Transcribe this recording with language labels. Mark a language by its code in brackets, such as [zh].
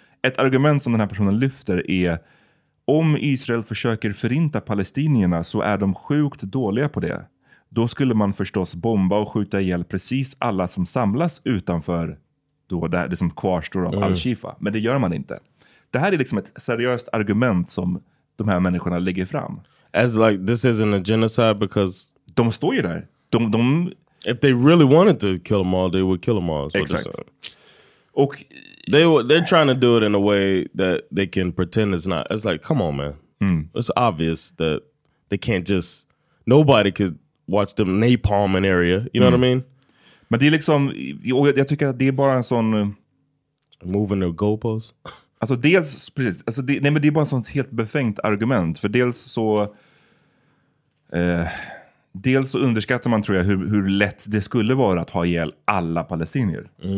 [sv] Ett argument som den här personen lyfter är, om Israel försöker förinta palestinierna så är de sjukt dåliga på det. Då skulle man förstås bomba och skjuta ihjäl precis alla som samlas utanför då det som kvarstår av Al-Shifa. Men det gör man inte. Det här är liksom ett seriöst argument som de här människorna lägger fram. [en] As like, this isn't a genocide because... [sv] De står ju där. De... [en] If they really wanted to kill them all, they would kill them all. [sv] Exakt. Och [en] They're trying to do it in a way that they can pretend it's not. It's like, come on, man. Mm. It's obvious that they can't just, nobody could watch them napalm an area. You know what I mean? [sv] Men det är liksom, jag tycker att det är bara en sån... [en] Moving the goalposts. [sv] Alltså dels, precis. Alltså det, nej, men det är bara en sån helt befängt argument. För dels så... dels så underskattar man, tror jag, hur lätt det skulle vara att ha ihjäl alla palestinier. Mm.